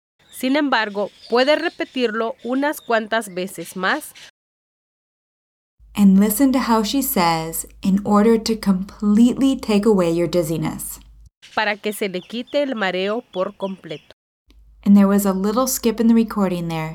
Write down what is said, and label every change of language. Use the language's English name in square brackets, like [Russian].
[Spanish] Sin embargo, puede repetirlo unas cuantas veces más. [English] And listen to how she says, in order to completely take away your dizziness. [Spanish] Para que se le quite el mareo por completo. [English] And there was a little skip in the recording there.